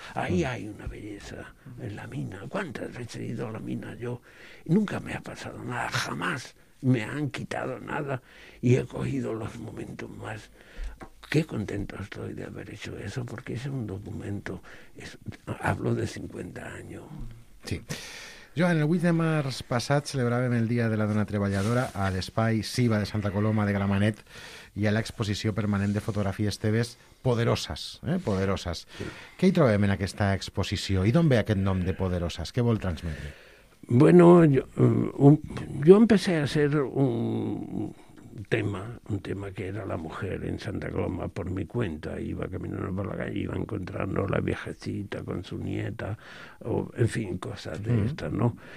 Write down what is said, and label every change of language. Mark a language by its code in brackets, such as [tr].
[es] Ahí hay una belleza, en la mina. ¿Cuántas veces he ido a la mina yo? Nunca me ha pasado nada, jamás me han quitado nada y he cogido los momentos más... Qué contento estoy de haber hecho eso, porque es un documento, hablo de 50 años. Sí. [ca] Joan, el 8 de març passat celebràvem el Dia de la Dona Treballadora a l'Espai Siva de Santa Coloma de Gramenet i a l'exposició permanent de fotografies teves Poderoses. Poderoses. Sí. Què hi trobem en aquesta exposició i d'on ve aquest nom de Poderoses? Què vol transmetre? [es] Bueno, yo empecé a hacer un tema que era la mujer en Santa Coloma por mi cuenta. Iba caminando por la calle, iba encontrando a la viejecita con su nieta, o en fin, cosas de estas, ¿no?